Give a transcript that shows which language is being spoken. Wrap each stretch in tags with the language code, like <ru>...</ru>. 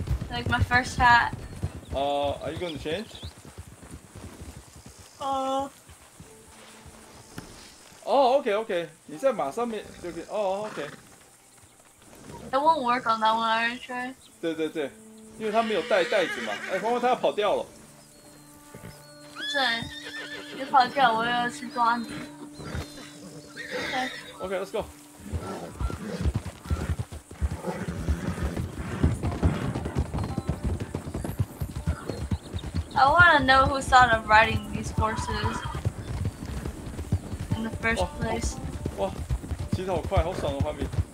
<en>Like my first hat. Are you going to change? Oh, okay, okay.</en> <zh>你在马上面就可以。</zh> <en>Oh, okay. It won't work on that one, are you sure?</en> <zh>对对对，因为他没有带袋子嘛。哎，黄黄他要跑掉了。不是，你跑掉，我要去抓你。</zh> <en>Okay. Okay, let's go. I want to know who thought of riding these horses in the first place.</en> <zh>哇，骑得好快，好爽的画面。</zh>